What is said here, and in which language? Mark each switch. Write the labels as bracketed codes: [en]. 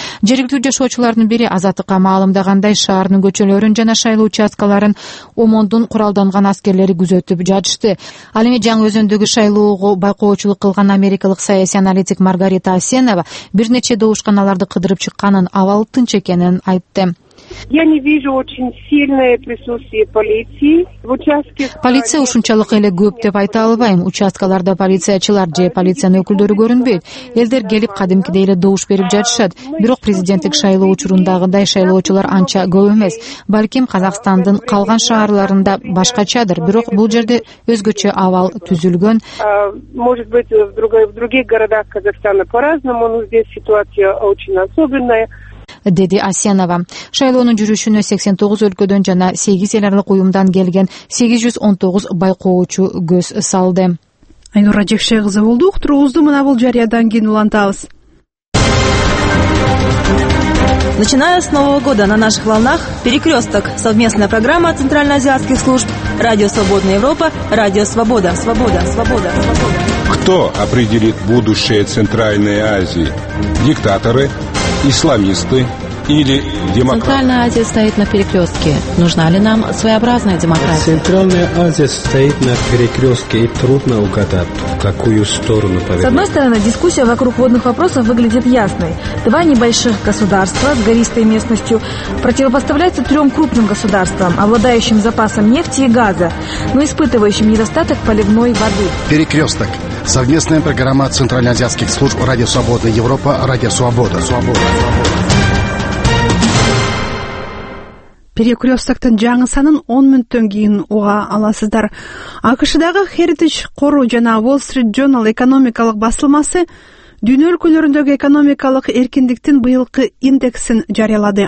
[ky] Жергиликтүү жашоочулардын бири Азаттыкка маалымдагандай шаарынын көчөлөрүн жана шайлоо участкаларын ОМОНдун куралданган аскерлери күзөтүп жатышты. Ал эми жаңы өзөндөгү шайлоого байкоочулук кылган америкалык саясий аналитик Маргарита Асенова бир нече добушканаларды кыдырып чыкканын, абал тынч экенин айтты. [ru] Я не вижу очень сильное присутствие полиции в участке. [ky] Полиция ушунчалык эле көп деп айта албайм. Участкаларда полициячылар же полициянын өкүлдөрү көрүнбөйт. Элдер келип кадимкидей эле добуш берип жатышат. Бирок президенттик шайлоо учурундагыдай шайлоочулар анча көп эмес. Балким Казакстандын калган шаарларында башкачадыр, бирок бул жерде өзгөчө абал түзүлгөн. [ru] Может быть, в других городах Казахстана по-разному, но здесь ситуация очень особенная. [ky] Деди Асенова. Шайлоонун жүрүшүнө 89 өлкөдөн жана 8 эл аралык уюмдан келген 819 байкоочу көз салды. Айнура Жекше кызы болду. Уктуруубузду мына бул жарыядан кийин улантабыз. [ru] Начиная с Нового года на наших волнах «Перекресток» – совместная программа Центральноазиатских служб «Радио Свободная Европа», «Радио Свобода». Свобода, свобода, свобода. Кто определит будущее Центральной Азии? Диктаторы, исламисты или демократы? Центральная Азия стоит на перекрестке. Нужна ли нам своеобразная демократия? Центральная Азия стоит на перекрестке и трудно угадать, в какую сторону повернуть. С одной стороны, дискуссия вокруг водных вопросов выглядит ясной. Два небольших государства с гористой местностью противопоставляются трем крупным государствам, обладающим запасом нефти и газа, но испытывающим недостаток поливной воды. Перекресток. Совместная программа Центральноазиатских служб «Радио Свобода Европа», «Радио Свобода». Свобода. [ky] Перекрестоктан жаңы санын 10 мүнттөн кийин уга аласыздар. АКШ-дагы Heritage Core жана Wall Street Journal экономикалык басылмасы дүйнө өлкөлөрүндөгү экономикалык эркиндиктин быйылкы индексин жарыялады.